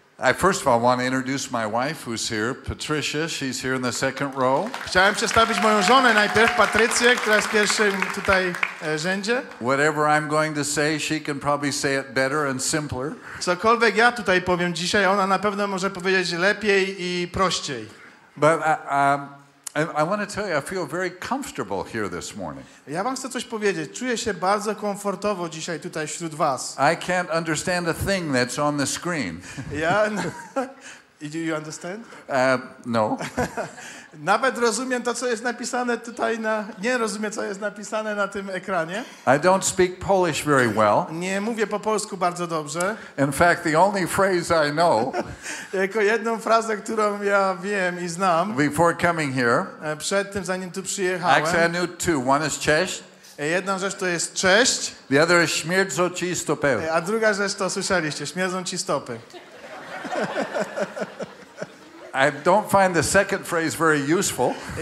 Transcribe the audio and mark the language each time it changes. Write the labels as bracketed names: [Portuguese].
[English] I first of all want to introduce my wife who's here, Patricia. She's here in the second row. [Polish] Chciałem przedstawić moją żonę najpierw, Patrycję, która jest w pierwszym tutaj rzędzie. [English] Whatever I'm going to say, she can probably say it better and simpler. [Polish] Cokolwiek ja tutaj powiem dzisiaj, ona na pewno może powiedzieć lepiej i prościej. [English] But I want to tell you, I feel very comfortable here this morning. [Polish] Ja wam chcę coś powiedzieć. Czuję się bardzo komfortowo dzisiaj tutaj wśród was. [English] I can't understand a thing that's on the screen. Yeah, do you understand? No. [Polish] Nawet rozumiem to, co jest napisane tutaj na... Nie rozumiem, co jest napisane na tym ekranie. [English] I don't speak Polish very well. [Polish] Nie mówię po polsku bardzo dobrze. [English] In fact, the only phrase I know... [Polish] Jako jedną frazę, którą ja wiem i znam... [English] Before coming here... [Polish] Przed tym, zanim tu przyjechałem... [English] Actually, I knew two. One is cześć. [Polish] Jedna rzecz to jest cześć. [English] The other is [Polish] śmierdzą ci stopy. A druga rzecz to słyszeliście. Śmierdzą ci stopy. [English] I don't find the second phrase very useful.